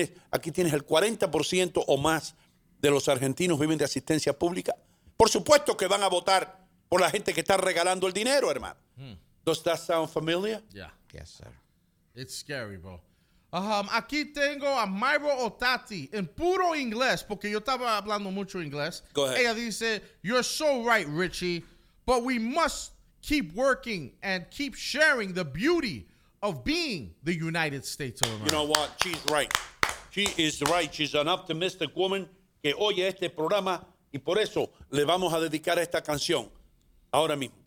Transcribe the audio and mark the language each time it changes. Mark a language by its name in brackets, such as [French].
[Spanish] Aquí tienes el 40% o más de los argentinos viven de asistencia pública. Por supuesto que van a votar por la gente que está regalando el dinero, hermano. [English] ¿Does that sound familiar? Yeah. Yes, sir. It's scary, bro. [Spanish] Aquí tengo a Mayro Otati en puro inglés, porque yo estaba hablando mucho inglés. [English] Go ahead. [Spanish] Ella dice, [English] you're so right, Richie, but we must keep working and keep sharing the beauty of being the United States of America. You know what? She's right. She is right. She's an optimistic woman [Spanish] que oye este programa y por eso le vamos a dedicar esta canción ahora mismo.